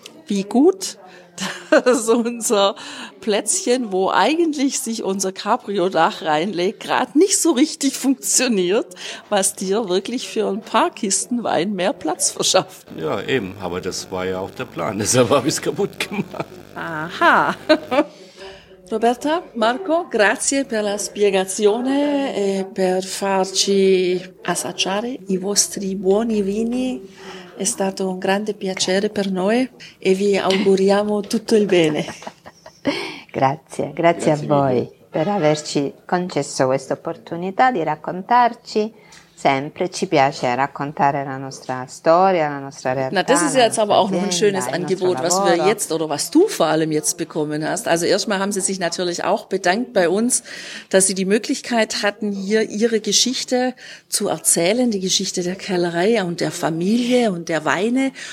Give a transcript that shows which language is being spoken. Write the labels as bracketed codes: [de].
[de] Wie gut, dass unser Plätzchen, wo eigentlich sich unser Cabrio-Dach reinlegt, gerade nicht so richtig funktioniert, was dir wirklich für ein paar Kisten Wein mehr Platz verschafft. Ja, eben, aber das war ja auch der Plan, deshalb habe ich es kaputt gemacht. Aha. [it] Roberta, Marco, grazie per la spiegazione e per farci assaggiare i vostri buoni vini. È stato un grande piacere per noi e vi auguriamo tutto il bene. Grazie a voi per averci concesso questa opportunità di raccontarci. Sempre ci piace raccontare la nostra storia, la nostra realtà. [de] Na, das ist jetzt aber auch noch ein schönes Angebot, was wir jetzt oder was du vor allem jetzt bekommen hast. Also erstmal haben sie sich natürlich auch bedankt bei uns, dass sie die Möglichkeit hatten, hier ihre Geschichte zu erzählen, die Geschichte der Kellerei und der Familie und der Weine.